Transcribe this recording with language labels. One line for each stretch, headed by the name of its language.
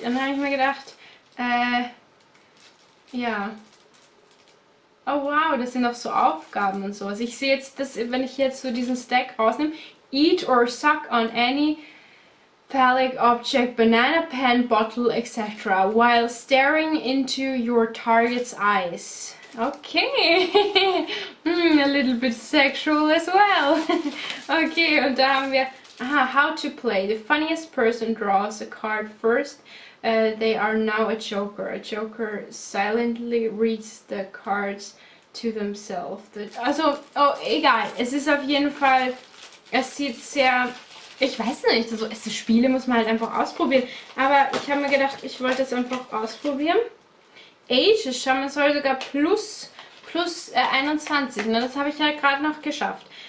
German: Und dann habe ich mir gedacht, ja. Oh wow, das sind auch so Aufgaben und sowas. Ich sehe jetzt, dass, wenn ich jetzt so diesen Stack rausnehme,
English: eat or suck on any phallic object, banana pen, bottle, etc. while staring into your target's eyes. Okay. A little bit sexual as well.
German: Okay, und da haben wir, aha,
English: how to play. The funniest person draws a card first. They are now a joker. A joker silently reads the cards to themselves.
German: Also, oh, egal. Es ist auf jeden Fall, es sieht sehr, ich weiß nicht, also es ist Spiele, muss man halt einfach ausprobieren. Aber ich habe mir gedacht, ich wollte es einfach ausprobieren. Ages, schau, man soll sogar plus 21. Ne? Das habe ich ja halt gerade noch geschafft.